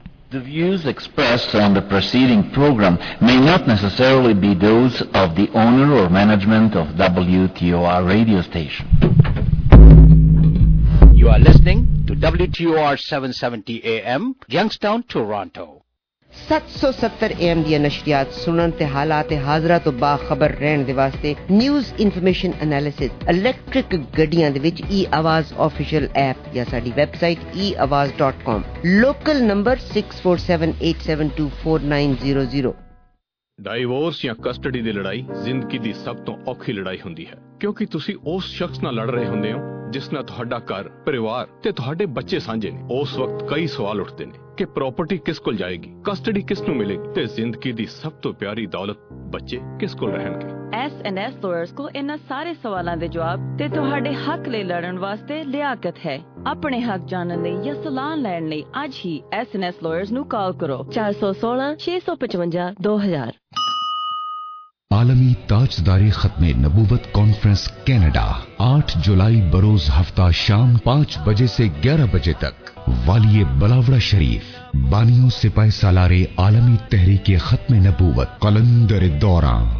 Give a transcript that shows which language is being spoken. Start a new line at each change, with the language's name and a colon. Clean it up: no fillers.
English: The views expressed on the preceding program may not necessarily be those of the owner or management of WTOR radio station. You are listening to WTOR 770 AM, Youngstown, Toronto.
Punjabi: 770 AM ਦੀ ਨਸ਼ਰੀਆਤ ਸੁਣਨ ਤੇ ਹਾਲਾਤ ਤੇ ਹਾਜ਼ਰਾਂ ਤੋਂ ਬਾਖਬਰ ਰਹਿਣ ਦੇ ਵਾਸਤੇ news information analysis, electric ਗੱਡੀਆਂ ਦੇ ਵਿੱਚ ਈ ਆਵਾਜ਼ ਆਫੀਸ਼ੀਅਲ ਐਪ, ਜਾਂ ਸਾਡੀ ਵੈਬਸਾਈਟ ਈ ਆਵਾਜ਼ .com, ਲੋਕਲ ਨੰਬਰ 6478724900. ਡਾਈਵੋਰਸ ਜਾਂ ਕਸਟਡੀ ਦੀ ਲੜਾਈ ਜ਼ਿੰਦਗੀ ਦੀ ਸਭ ਤੋਂ ਔਖੀ ਲੜਾਈ ਹੁੰਦੀ ਹੈ, ਕਿਉਂਕਿ ਤੁਸੀਂ ਉਸ ਸ਼ਖਸ ਨਾਲ ਲੜ ਰਹੇ ਹੁੰਦੇ ਹੋ ਜਿਸ ਨਾਲ ਤੁਹਾਡਾ ਘਰ, ਪਰਿਵਾਰ ਤੇ ਤੁਹਾਡੇ ਬੱਚੇ ਸਾਂਝੇ ਨੇ. ਉਸ ਵਕਤ ਕਈ ਸਵਾਲ ਉੱਠਦੇ ਨੇ ਕਿ ਪ੍ਰਾਪਰਟੀ ਕਿਸ ਕੋਲ ਜਾਏਗੀ, ਕਸਟਡੀ ਕਿਸ ਨੂੰ ਮਿਲੇਗੀ, ਤੇ ਜ਼ਿੰਦਗੀ ਦੀ ਸਭ ਤੋਂ ਪਿਆਰੀ ਦੌਲਤ ਬੱਚੇ ਕਿਸ ਕੋਲ ਰਹਿਣਗੇ. S&S Lawyers ਕੋ ਇਹਨਾਂ ਸਾਰੇ ਸਵਾਲਾਂ ਦੇ ਜਵਾਬ ਤੇ ਤੁਹਾਡੇ ਹੱਕ ਲਈ ਲੜਨ ਵਾਸਤੇ ਲਿਆਕਤ ਹੈ. ਆਪਣੇ ਹੱਕ ਜਾਣਨ ਲਈ ਜਾਂ ਸਲਾਹ ਲੈਣ ਲਈ ਅੱਜ ਹੀ S&S Lawyers ਨੂੰ ਕਾਲ ਕਰੋ 416-655-2000.
Urdu: عالمی تاجدار ختم نبوت کانفرنس کینیڈا 8 جولائی بروز ہفتہ شام 5 بجے سے 11 بجے تک والیے بلاوڑا شریف بانیوں سپاہ سالارے عالمی تحریک ختم نبوت قلندر دوراں